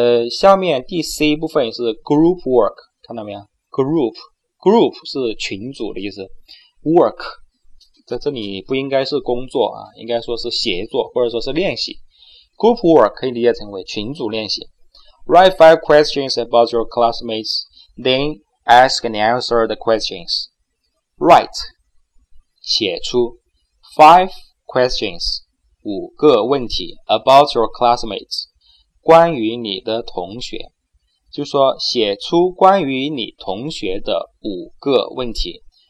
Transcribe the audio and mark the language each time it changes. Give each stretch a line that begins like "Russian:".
Chinese: 下面第 C 部分是 group work， 看到没有？ group 是群组的意思， work 在这里不应该是工作啊，应该说是协作或者说是练习。 Group work 可以理解成为群组练习。
English: Write 5 questions about your classmates, then ask and answer the questions.
Chinese: Write 写出 5 questions 五个问题
English: about your classmates
Chinese: 关于你的同学，就说写出关于你同学的五个问题。